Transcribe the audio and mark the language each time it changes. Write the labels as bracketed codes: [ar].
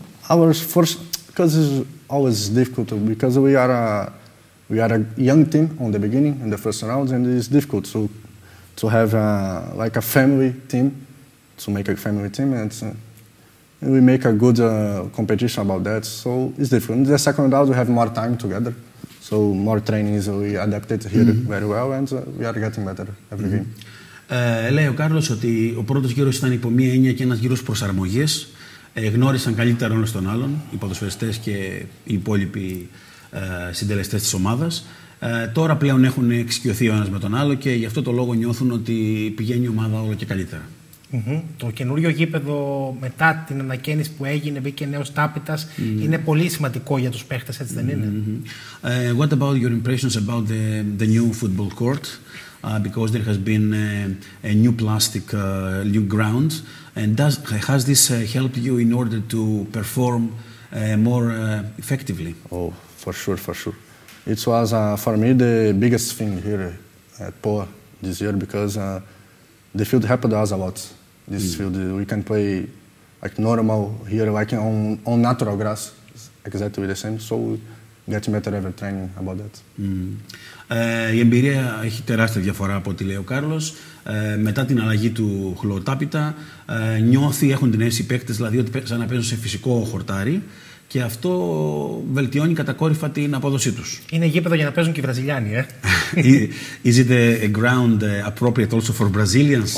[en] Our first, because it's always difficult because we are a young team on the beginning in the first rounds, and it is difficult to have like a family team, to make a family team, and it's, we make a good competition about that, so it's different. In the second round, we have more time together, so more training is we adapted here mm-hmm. very well, and we are getting better every mm-hmm. game. [el] Λέει ο Κάρλος ότι ο πρώτος γύρος ήταν υπό μία έννοια και ένας γύρος προσαρμογής. Γνώρισαν καλύτερα όλους τον άλλον, οι ποδοσφαιριστές και οι υπόλοιποι συντελεστές της ομάδας. Τώρα πλέον έχουν εξοικειωθεί ο ένας με τον άλλο και γι' αυτό το λόγο νιώθουν ότι πηγαίνει η ομάδα όλο και καλύτερα. Mm-hmm. Το καινούριο γήπεδο μετά την ανακαίνιση που έγινε, μπήκε νέος τάπητας, mm-hmm. είναι πολύ σημαντικό για τους παίχτες, έτσι δεν είναι? Mm-hmm. [en] What about your impressions about the new football court? Because there has been a new plastic, new ground. And has this helped you in order to perform more effectively? Oh, for sure, for sure. It was, for me, the biggest thing here at PUA this year because the field helped us a lot. This field, we can play like normal here, like on natural grass, exactly the same. So get better every training about that. Mm. [el] Η εμπειρία έχει τεράστια διαφορά από ό,τι λέει ο Κάρλος. Μετά την αλλαγή του χλωοτάπητα, νιώθει, έχουν την αίσθηση οι παίκτες, δηλαδή ότι σαν να παίζουν σε φυσικό χορτάρι. Και αυτό βελτιώνει κατακόρυφα την απόδοσή τους. Είναι γήπεδο για να παίζουν και οι Βραζιλιάνοι, ε? [en] Is it a ground appropriate also for Brazilians?